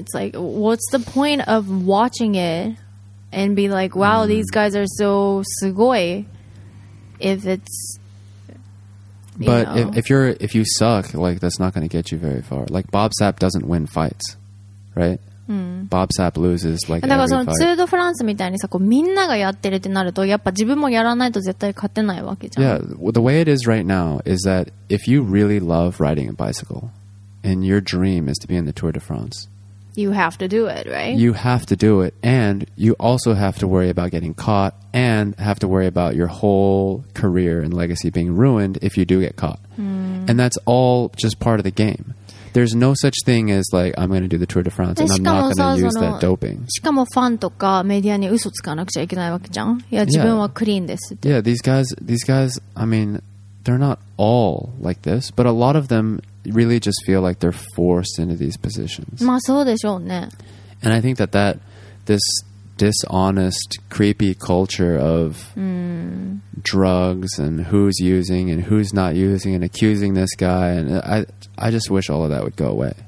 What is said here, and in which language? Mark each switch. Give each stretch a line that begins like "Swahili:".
English: And it's like, what's the point of watching it and be like, wow, these guys are so sugoi, if it's, but if you suck, like, that's not going to get you very far. Like, Bob Sapp doesn't win fights, right? Mm. Bob Sapp loses like every fight.
Japanese: ツールドフランスみたいにさ、こうみんながやってるってなると、やっぱ自分もやらないと絶対勝てないわけじゃん。
English: Yeah, the way it is right now is that if you really love riding a bicycle and your dream is to be in the Tour de France, you have to do it, right? You have to do it, and you also have to worry about getting caught and have to worry about your whole career and legacy being ruined if you do get caught. Mm. And that's all just part of the game. There's no such thing as like, I'm going to do the Tour de France and I'm not going to use that doping.
Japanese: しかもファンとかメディアに嘘つかなくちゃいけないわけじゃん。いや、自分はクリーンですって。
English: Yeah, these guys, I mean, they're not all like this, but a lot of them really just feel like they're forced into these positions.
Japanese: まあそうでしょうね。
English: And I think that this dishonest, creepy culture of drugs and who's using and who's not using and accusing this guy, and I just wish all of that would go away.